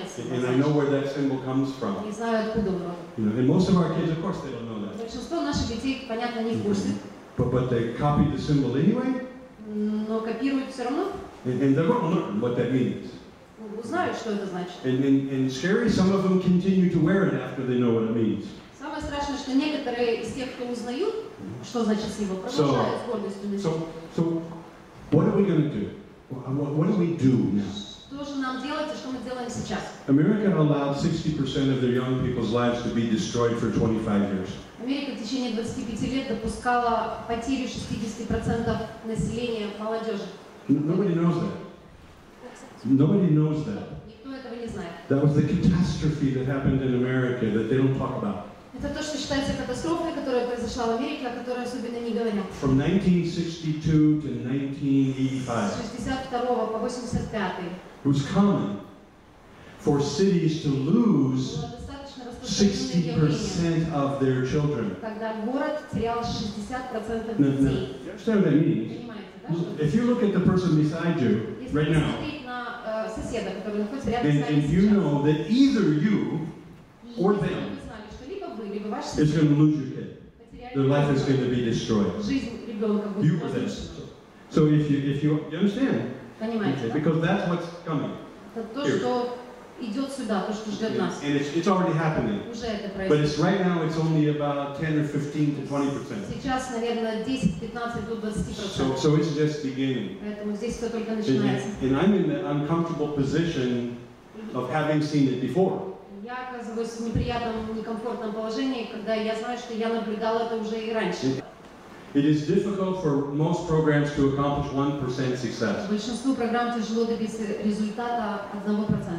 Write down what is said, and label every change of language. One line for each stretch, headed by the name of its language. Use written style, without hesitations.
English: And I know where that symbol comes from. You know, and most of our kids, of course, they don't know that. But they copy the symbol anyway. And they're going to learn what that means. And scary, some of them continue to wear it after they know what it means.
Russian: Самое страшное, что некоторые из тех, кто узнают, что значит символ, продолжают с гордостью носить.
English: So, what are we going to do? What do we do now?
Russian: Что же нам делать и что мы делаем сейчас?
English: America allowed 60% of their young people's lives to be destroyed for 25 years.
Russian: Америка в течение 25 лет допускала потерю 60% населения молодежи.
English: Nobody knows that. Nobody knows that.
Russian: Никто этого не знает.
English: That was the catastrophe that happened in America that they don't talk about.
Russian: Это то, что считается катастрофой, которая произошла в Америке, о которой особенно не говорят.
English: From 1962 to 1985.
Russian: С 62 по 85.
English: It was common for cities to lose 60% of their children.
Russian: Когда город терял 60% детей.
English: Now, understand what that means?
Russian: Понимаете, да?
English: If you look at the person beside you right now, and you know that either you or them is going to lose your kid. Their life is going to be destroyed. You were this. So if you understand, okay, because that's what's coming. And it's already happening. But it's right now it's only about 10 or 15 to 20%. So it's just beginning. And I'm in the uncomfortable position of having seen it before.
Russian: Я оказываюсь в неприятном, некомфортном положении, когда я знаю, что я наблюдала это уже и раньше.
English: It is difficult for most programs to accomplish 1% success.
Russian: Большинству программ тяжело добиться результата 1%.